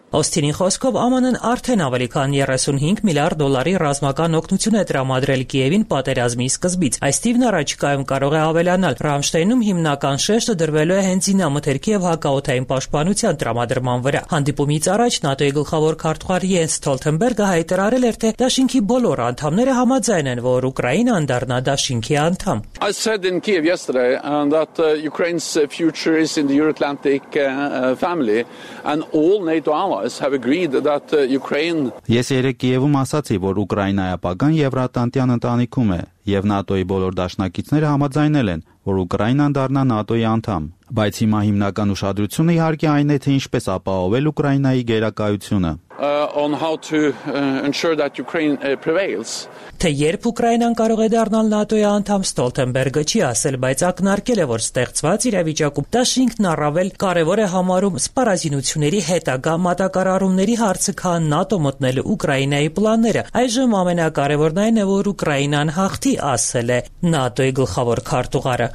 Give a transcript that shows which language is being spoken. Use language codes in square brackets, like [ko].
[hy] Օստինի խոսքով ԱՄՆ-ն արդեն ավելի քան 35 միլիարդ դոլարի ռազմական օգնություն է տրամադրել Կիևին պատերազմի սկզբից։ Այս թիվն առաջիկայում կարող է ավելանալ։ Ռամշտայնում հիմնական շեշտը դրվելու է հենց ինամթերքի և հակաօդային պաշտպանության տրամադրման վրա։ Հանդիպումից առաջ ՆԱՏՕ-ի գլխավոր քարտուղար Յենս Ստոլտենբերգը հայտարարել էր, թե Դաշինքի բոլոր անդամները համաձայն են, որ Ուկրաինան դառնա Դաշինքի անդամ։ [en] I said in Kiev yesterday that Ukraine's future is in the Euro-Atlantic family and all NATO have agreed that Ukraine [hy] Ես երեկ Կիևում ասացի, որ Ուկրաինայը ապագան Եվրատլանտյան ընտանիքում է, եւ ՆԱՏՕ-ի բոլոր դաշնակիցները համաձայնել են, որ Ուկրաինան դառնա ՆԱՏՕ-ի անդամ, բայց հիմա հիմնական ուշադրությունը իհարկե այն է, թե ինչպես ապահովել Ուկրաինայի գերակայությունը։ [en] On how to ensure that Ukraine prevails. [hy] Թե երբ Ուկրաինան կարող է դառնալ ՆԱՏՕ-ի անդամ, Ստոլտենբերգը չի ասել, բայց ակնարկել է, որ ստեղծված իրավիճակում Դաշինքն առավել կարևոր է համարում սպառազինությունների հետագա մատակարարումների հարցը, քան ՆԱՏՕ մտնելու Ուկրաինայի պլանները։ Այժմ ամենակարևորն այն է, որ Ուկրաինան հաղթի, ասել է ՆԱՏՕ-ի գլխավոր քարտուղարը,